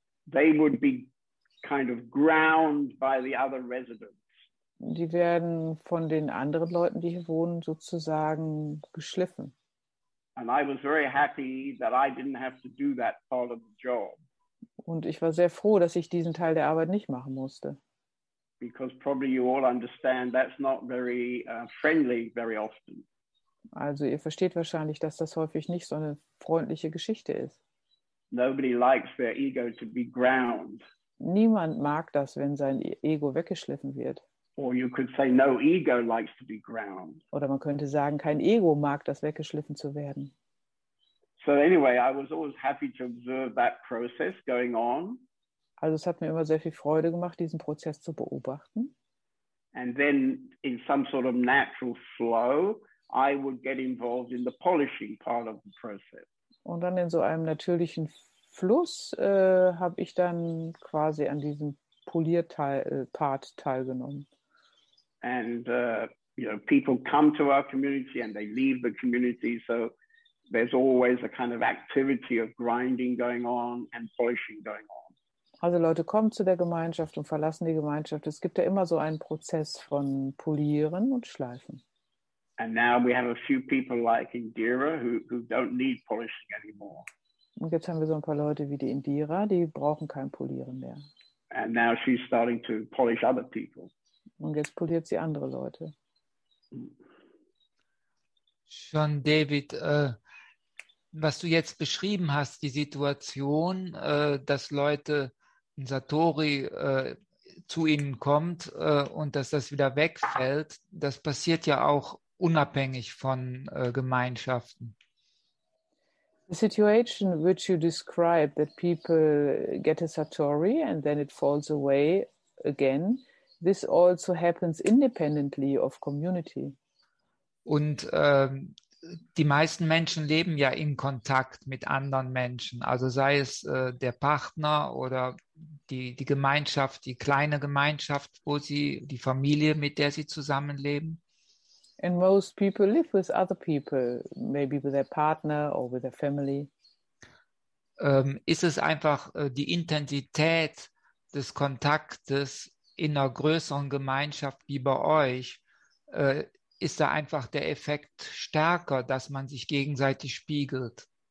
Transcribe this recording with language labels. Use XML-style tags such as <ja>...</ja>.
<en>They would be kind of ground by the other residents.</en> <de>Die werden von den anderen Leuten, die hier wohnen, sozusagen geschliffen.</de> <en>And I was very happy that I didn't have to do that part of the job.</en> <de>Und ich war sehr froh, dass ich diesen Teil der Arbeit nicht machen musste.</de> <en>because probably you all understand that's not very friendly very often.</en> <de>Also ihr versteht wahrscheinlich, dass das häufig nicht so eine freundliche Geschichte ist.</de> <en>Nobody likes their ego to be ground.</en> <de>Niemand mag das, wenn sein Ego weggeschliffen wird.</de> <en>Or you could say no ego likes to be ground.</en> <de>Oder man könnte sagen, kein Ego mag das, weggeschliffen zu werden.</de> <en>So anyway, I was always happy to observe that process going on.</en> <de>Also es hat mir immer sehr viel Freude gemacht, diesen Prozess zu beobachten.</de> <en>And then in some sort of natural flow, I would get involved in the polishing part of the process.</en> <de>Und dann in so einem natürlichen Fluss habe ich dann quasi an diesem Polierteil-Part teilgenommen.</de> <en>And you know, people come to our community and they leave the community, so there's always a kind of activity of grinding going on and polishing going on.</en> <de>Also Leute kommen zu der Gemeinschaft und verlassen die Gemeinschaft. Es gibt ja immer so einen Prozess von Polieren und Schleifen.</de> <en>And now we have a few people like Indira who don't need polishing anymore.</en> <de>Und jetzt haben wir so ein paar Leute wie die Indira, die brauchen kein Polieren mehr.</de> <en>And now she's starting to polish other people.</en> <de>Und jetzt poliert sie andere Leute. John David, was du jetzt beschrieben hast, die Situation, dass Leute ein Satori zu ihnen kommt und dass das wieder wegfällt, das passiert ja auch unabhängig von Gemeinschaften.</de> <en>The situation which you describe, that people get a Satori and then it falls away again, this also happens independently of community.</en> <de>Und die meisten Menschen leben ja in Kontakt mit anderen Menschen, also sei es der Partner oder die Gemeinschaft, die kleine Gemeinschaft, wo sie, die Familie, mit der sie zusammenleben.</de> <en>And most people live with other people, maybe with their partner or with their family.</en> <de>Ist es einfach die Intensität des Kontaktes in einer größeren Gemeinschaft wie bei euch, ist da einfach der Effekt stärker, dass man sich gegenseitig spiegelt?</de>